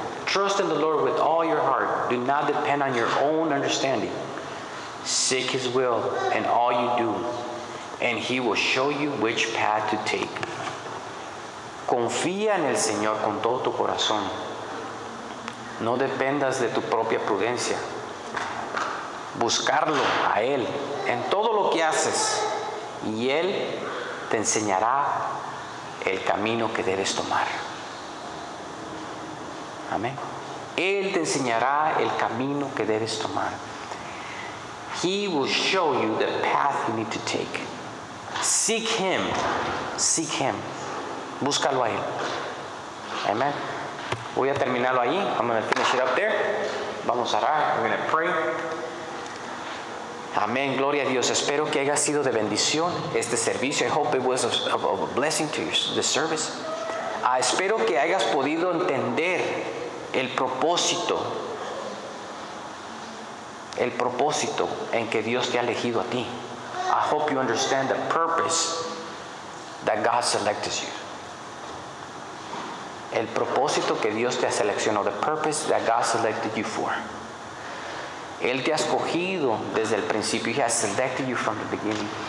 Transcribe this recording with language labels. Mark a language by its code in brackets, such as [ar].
[en] Trust in the Lord with all your heart. Do not depend on your own understanding. Seek His will in all you do, and He will show you which path to take. [es] Confía en el Señor con todo tu corazón. No dependas de tu propia prudencia. Buscarlo a Él en todo lo que haces, y Él te enseñará el camino que debes tomar. Amén. Él te enseñará el camino que debes tomar. [en] He will show you the path you need to take. Seek Him. Seek Him. [es] Búscalo a Él. Amén. Voy a terminarlo ahí. [en] I'm going to finish it up there. [es] Vamos a orar. [en] We're going to pray. [es] Amén. Gloria a Dios. Espero que haya sido de bendición este servicio. [en] I hope it was of a blessing to you, the service. [es] Espero que hayas podido entender el propósito en que Dios te ha elegido a ti. [en] I hope you understand the purpose that God selected you. [es] El propósito que Dios te ha seleccionado, [en] the purpose that God selected you for. [es] Él te ha escogido desde el principio. [en] He has selected you from the beginning.